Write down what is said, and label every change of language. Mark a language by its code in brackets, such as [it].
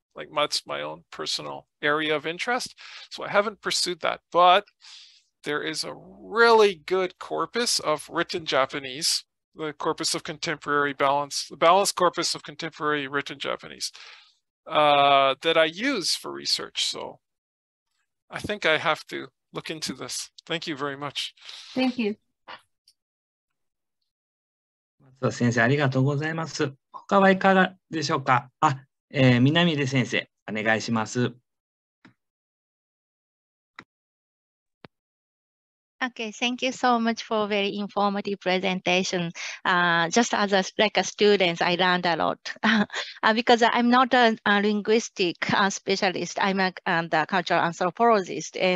[en] Like that's my own personal area of interest. So I haven't pursued that, but there is a really good corpus of written Japanese, the corpus of contemporary balance, the balanced corpus of contemporary written Japanese that I use for research. So I think I have to look into this. Thank you very much. Thank you. [ja] 先生ありがとうございます。他はいかがでしょうか。あ、南出先生お願いします。 [en] Okay, thank you so much for a very informative presentation. Just as a, like a student, I learned a lot. because I'm not a linguistic specialist, I'm a cultural anthropologist.